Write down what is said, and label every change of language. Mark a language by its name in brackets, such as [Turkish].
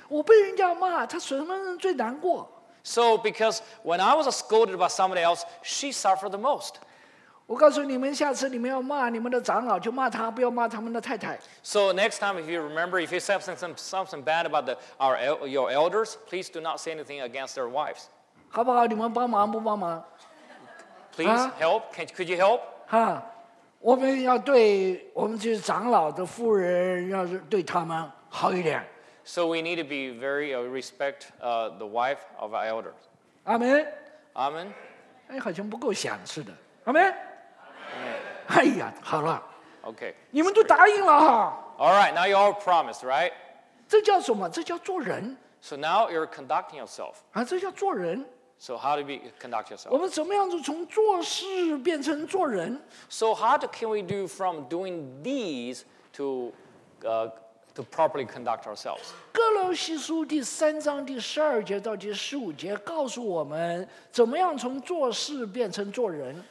[Chinese] 我被人家骂，他什么人最难过? [English] So because when I was scolded by somebody else, she suffered the most. [Chinese] 我告诉你们，下次你们要骂你们的长老，就骂他，不要骂他们的太太。 [English] So next time, if you remember, if you say something bad about your elders, please do not say anything against their wives. [Chinese] 好不好？你们帮忙不帮忙 [English] ？Please help. Could you help? [Chinese] 哈，我们要对我们这些长老的夫人，要是对他们好一点。 [English] So we need to be very respect the wife of our elders. [Chinese] 阿门。阿门。哎，好像不够响似的。阿门。阿门。哎呀，好了。 [English] Okay. [Chinese] 你们都答应了哈。 [English] All right. Now you all promised, right? [Chinese] 这叫什么？这叫做人。 [English] So now you're conducting yourself. [Chinese] 啊，这叫做人。 [English] So how do we conduct yourself? [Chinese] 我们怎么样子从做事变成做人 [English] ？So how can we do from doing these to properly conduct ourselves? [Chinese] 哥罗西书第三章第十二节到第十五节告诉我们怎么样从做事变成做人。